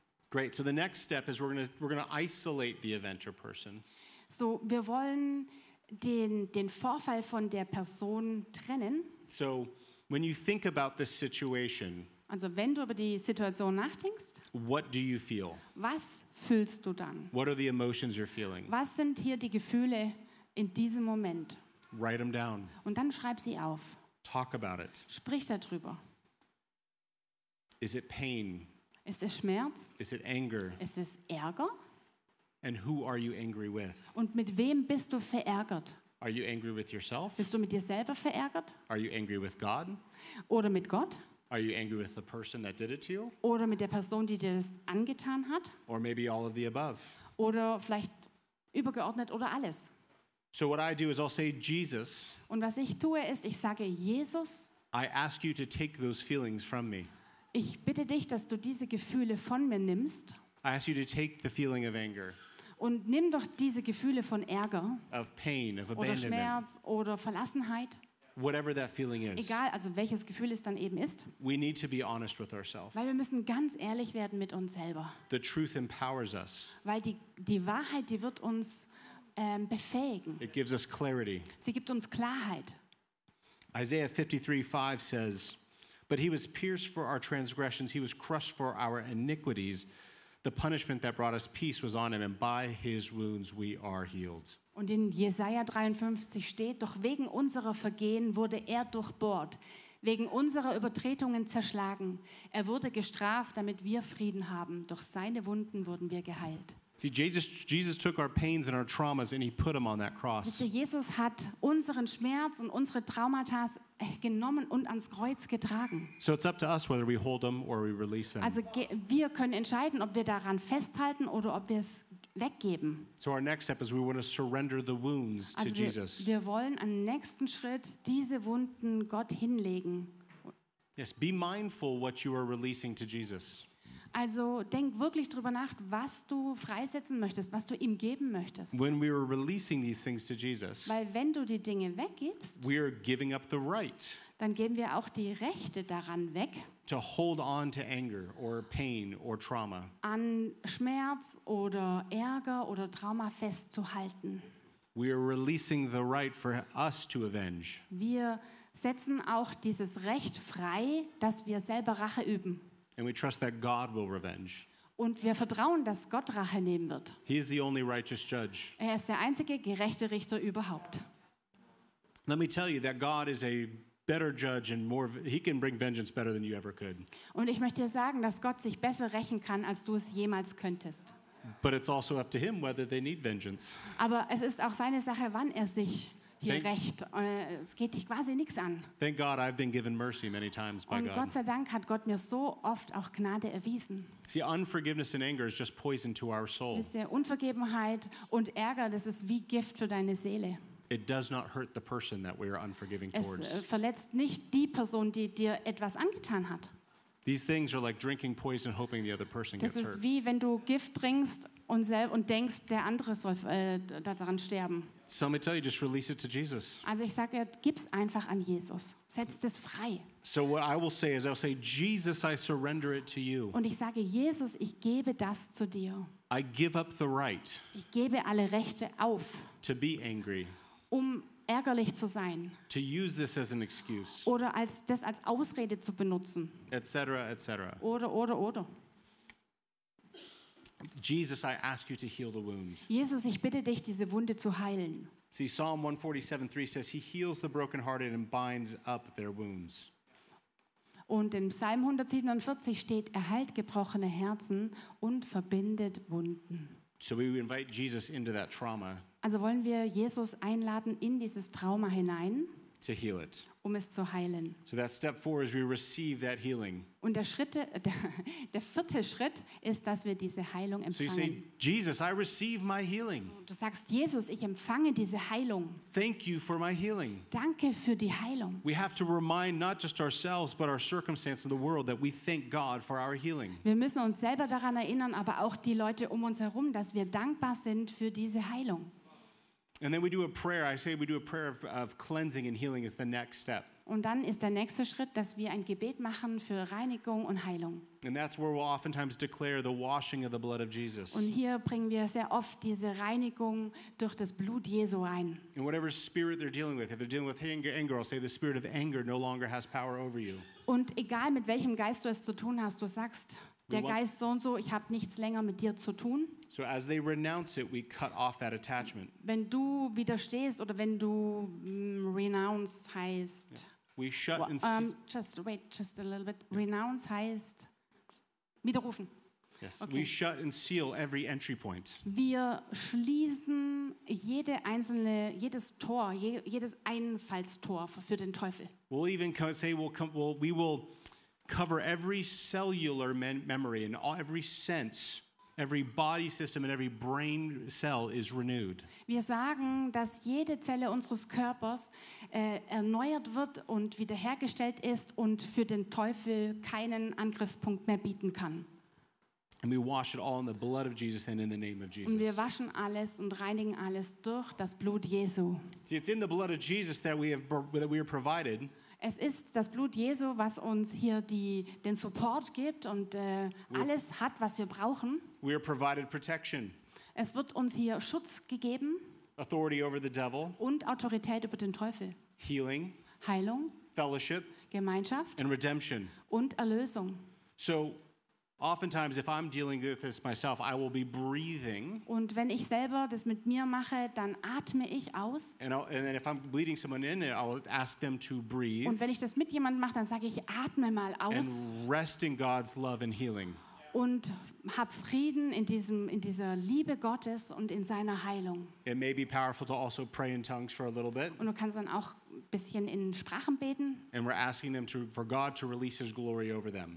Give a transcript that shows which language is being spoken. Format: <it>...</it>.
<en>Great. So the next step is we're gonna isolate the event or person.</en> <de>So wir wollen den Vorfall von der Person trennen.</de> <en>So when you think about this situation.</en> <de>Also wenn du über die Situation nachdenkst,</de> <en>what do you feel?</en> <de>Was fühlst du dann?</de> <en>What are the emotions you're feeling?</en> <de>Was sind hier die Gefühle, in diesem Moment.</de> <en>Write them down.</en> <de>Und dann schreib sie auf.</de> <en>Talk about it.</en> <de>Sprich darüber.</de> <en>Is it pain?</en> <de>Ist es Schmerz?</de> <en>Is it anger?</en> <de>Ist es Ärger?</de> <en>And who are you angry with?</en> <de>Und mit wem bist du verärgert?</de> <en>Are you angry with yourself?</en> <de>Bist du mit dir selber verärgert?</de> <en>Are you angry with God?</en> <de>Oder mit Gott?</de> <en>Are you angry with the person that did it to you?</en> <de>Oder mit der Person, die dir das angetan hat?</de> <en>Or maybe all of the above.</en> <de>Oder vielleicht übergeordnet oder alles.</de> <en>So what I do is I'll say Jesus.</en> <de>Und was ich tue ist, ich sage Jesus.</de> <en>I ask you to take those feelings from me.</en> <de>Ich bitte dich, dass du diese Gefühle von mir nimmst.</de> <en>I ask you to take the feeling of anger.</en> <de>Und nimm doch diese Gefühle von Ärger.</de> <en>Of pain, of abandonment.</en> <de>Oder Schmerz oder Verlassenheit.</de> <en>Whatever that feeling is.</en> <de>Egal, also welches Gefühl es dann eben ist.</de> <en>We need to be honest with ourselves.</en> <de>Weil wir müssen ganz ehrlich werden mit uns selber.</de> <en>The truth empowers us.</en> <de>Weil die Wahrheit, die wird uns befähigen.</de> <en>It gives us clarity.</en> <de>Sie gibt uns Klarheit.</de> <en>Isaiah 53:5 says, "But he was pierced for our transgressions, he was crushed for our iniquities. The punishment that brought us peace was on him, and by his wounds we are healed."</en> <de>Und in Jesaja 53 steht, doch wegen unserer Vergehen wurde er durchbohrt, wegen unserer Übertretungen zerschlagen. Er wurde gestraft, damit wir Frieden haben. Durch seine Wunden wurden wir geheilt.</de> <en>See, Jesus took our pains and our traumas and he put them on that cross.</en> <de>Jesus hat unseren Schmerz und unsere Traumata genommen und ans Kreuz getragen.</de> <en>So it's up to us whether we hold them or we release them.</en> <de>Also wir können entscheiden, ob wir daran festhalten oder ob wir es weggeben.</de> <en>So our next step is we want to surrender the wounds to Jesus.</en> <de>Also wir wollen am nächsten Schritt diese Wunden Gott hinlegen.</de> <en>Yes, be mindful what you are releasing to Jesus.</en> <de>Also denk wirklich drüber nach, was du freisetzen möchtest, was du ihm geben möchtest.</de> <en>When we are releasing these things to Jesus,</en> <de>weil wenn du die Dinge weggibst,</de> <en>we are giving up the right,</en> <de>dann geben wir auch die Rechte daran weg,</de> <en>to hold on to anger or pain or trauma,</en> <de>an Schmerz oder Ärger oder Trauma festzuhalten.</de> <en>We are releasing the right for us to avenge.</en> <de>Wir setzen auch dieses Recht frei, dass wir selber Rache üben.</de> <en>And we trust that God will revenge.</en> <de>Und wir vertrauen, dass Gott Rache nehmen wird.</de> <en>He is the only righteous judge.</en> <de>Er ist der einzige gerechte Richter überhaupt.</de> <en>Let me tell you that God is a better judge and more. He can bring vengeance better than you ever could.</en> <de>Und ich möchte dir sagen, dass Gott sich besser rächen kann, als du es jemals könntest.</de> <en>But it's also up to him whether they need vengeance.</en> <de>Aber es ist auch seine Sache, wann er sich hier recht. Es geht dich quasi nichts an.</de> <en>Thank God I've been given mercy many times by God.</en> <de>Und Gott sei Dank hat Gott mir so oft auch Gnade erwiesen.</de> <en>See, unforgiveness and anger is just poison to our soul.</en> <de>Ist der Unvergebenheit und Ärger, das ist wie Gift für deine Seele.</de> <en>It does not hurt the person that we are unforgiving towards.</en> <de>Es verletzt nicht die Person, die dir etwas angetan hat.</de> <en>These things are like drinking poison, hoping the other person gets hurt.</en> <de>Das ist wie wenn du Gift trinkst und denkst, der andere soll daran sterben.</de> <en>So let me tell you, just release it to Jesus.</en> <de>Also ich sage, gib's einfach an Jesus. Setz das frei.</de> <en>So what I will say is, I'll say, Jesus, I surrender it to you.</en> <de>Und ich sage, Jesus, ich gebe das zu dir.</de> <en>I give up the right.</en> <de>Ich gebe alle Rechte auf.</de> <en>To be angry.</en> <de>Um ärgerlich zu sein.</de> <en>To use this as an excuse.</en> <de>Oder das als Ausrede zu benutzen.</de> <en>Etc. Cetera, etc. Cetera.</en> <de>Oder.</de> <en>Jesus, I ask you to heal the wound.</en> <de>Jesus, ich bitte dich, diese Wunde zu heilen.</de> <en>See, Psalm 147:3 says, "He heals the brokenhearted and binds up their wounds."</en> <de>Und in Psalm 147 steht, er heilt gebrochene Herzen und verbindet Wunden.</de> <en>So we invite Jesus into that trauma.</en> <de>Also wollen wir Jesus einladen in dieses Trauma hinein.</de> <en>To heal it.</en> <de>Um es zu heilen.</de> <en>So that step four is we receive that healing.</en> <de>Und der vierte Schritt ist, dass wir diese Heilung empfangen.</de> <en>So you say, Jesus, I receive my healing.</en> <de>Du sagst, Jesus, ich empfange diese Heilung.</de> <en>Thank you for my healing.</en> <de>Danke für die Heilung.</de> <en>We have to remind not just ourselves, but our circumstance in the world that we thank God for our healing.</en> <de>Wir müssen uns selber daran erinnern, aber auch die Leute um uns herum, dass wir dankbar sind für diese Heilung.</de> <en>And then we do a prayer. I say we do a prayer of cleansing and healing is the next step.</en> <de>Und dann ist der nächste Schritt, dass wir ein Gebet machen für Reinigung und Heilung.</de> <en>And that's where we'll oftentimes declare the washing of the blood of Jesus.</en> <de>Und hier bringen wir sehr oft diese Reinigung durch das Blut Jesu ein.</de> <en>And whatever spirit they're dealing with, if they're dealing with anger, I'll say the spirit of anger no longer has power over you.</en> <de>Und egal mit welchem Geist du es zu tun hast, du sagst, Der Geist so und so, ich habe nichts länger mit dir zu tun.</de> <en>So as they renounce it, we cut off that attachment.</en> <de>Wenn du widerstehst oder wenn du renounce heißt.</de> <en>Yeah. We shut and just a little bit.</en> <de>Renounce heißt widerrufen.</de> <en>Yes, okay. We shut and seal every entry point.</en> <de>Wir schließen jede einzelne, jedes Tor, jedes Einfallstor für den Teufel.</de> <en>We'll even say we will cover every cellular memory and every sense, every body system and every brain cell is renewed.</en> <de>Wir sagen, dass jede Zelle unseres Körpers erneuert wird und wiederhergestellt ist und für den Teufel keinen Angriffspunkt mehr bieten kann.</de> <en>And we wash it all in the blood of Jesus and in the name of Jesus.</en> <de>Und wir waschen alles und reinigen alles durch das Blut Jesu.</de> <en>See, it's in the blood of Jesus that we are provided.</en> <de>Es ist das Blut Jesu, was uns hier den Support gibt und alles hat, was wir brauchen.</de> <en>We are provided protection.</en> <de>Es wird uns hier Schutz gegeben.</de> <en>Authority over the devil.</en> <de>Und Autorität über den Teufel.</de> <en>Healing.</en> <de>Heilung.</de> <en>Fellowship.</en> <de>Gemeinschaft.</de> <en>And redemption.</en> <de>Und Erlösung.</de> <en>So oftentimes, if I'm dealing with this myself, I will be breathing.</en> <de>Und wenn ich selber das mit mir mache, dann atme ich aus.</de> <en>And then if I'm leading someone in, I'll ask them to breathe.</en> <de>Und wenn ich das mit jemandem mache, dann sage ich, atme mal aus.</de> <en>And rest in God's love and healing.</en> <de>Und hab Frieden in dieser Liebe Gottes und in seiner Heilung.</de> <en>It may be powerful to also pray in tongues for a little bit.</en> <de>Und du kannst dann auch ein bisschen in Sprachen beten.</de> <en>And we're asking them for God to release His glory over them.</en>